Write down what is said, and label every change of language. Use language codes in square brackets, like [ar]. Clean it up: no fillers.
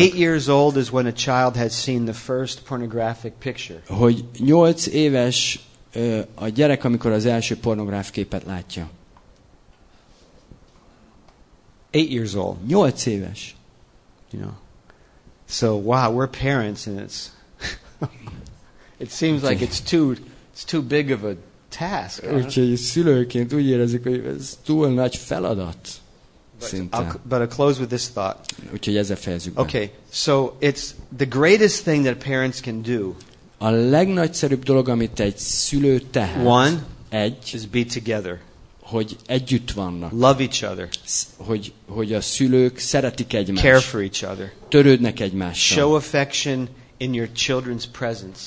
[en] 8 years old is when a child has seen the first pornographic picture. [hu] Hogy 8 éves a gyerek, amikor az első pornográf képet látja. [en] 8 years old. [hu] 8 éves. [en] You know. So wow, we're parents and it's it seems like it's too big of a task. [hu] Úgyhogy szülőként úgy érezik, hogy ez túl nagy feladat. [en] But I'll close with this thought. [hu] Úgyhogy ezzel fejezzük be. [en] Okay, so it's the greatest thing that parents can do. [hu] A legnagyszerűbb dolog, amit egy szülő tehet. [en] One. [hu] Egy. [en] Is be together. [hu] Hogy együtt vannak. [en] Love each other. [hu] Hogy a szülők szeretik egymást. [en] Care for each other. [hu] Törődnek egymással. [en] Show affection in your children's presence.